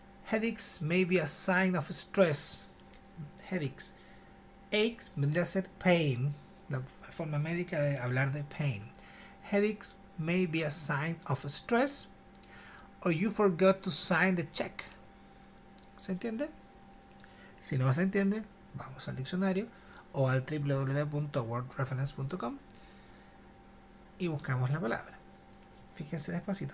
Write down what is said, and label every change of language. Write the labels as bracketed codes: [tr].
[en] Headaches may be a sign of stress. Headaches. [es] Aches vendría a ser pain, la forma médica de hablar de pain. [en] Headaches may be a sign of stress, or you forgot to sign the check. [es] ¿Se entiende? Si no se entiende, vamos al diccionario o al www.wordreference.com y buscamos la palabra. Fíjense despacito.